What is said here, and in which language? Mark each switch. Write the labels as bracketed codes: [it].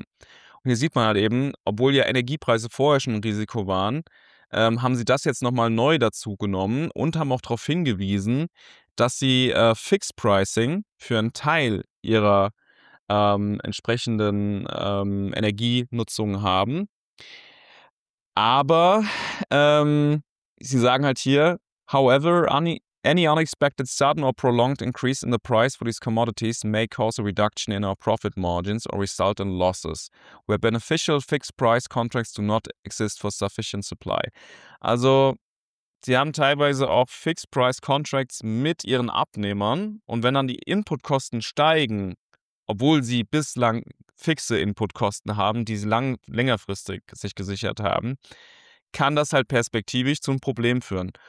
[de] Und hier sieht man halt eben, obwohl ja Energiepreise vorher schon ein Risiko waren, haben sie das jetzt nochmal neu dazu genommen und haben auch darauf hingewiesen, dass sie Fixed Pricing für einen Teil ihrer entsprechenden Energienutzung haben. Aber sie sagen halt hier, [en] however, any unexpected sudden or prolonged increase in the price for these commodities may cause a reduction in our profit margins or result in losses, where beneficial fixed price contracts do not exist for sufficient supply. [de] Also sie haben teilweise auch fixed price contracts mit ihren Abnehmern und wenn dann die Inputkosten steigen, obwohl sie bislang fixe Inputkosten haben, die sie längerfristig sich gesichert haben, kann das halt perspektivisch zu einem Problem führen.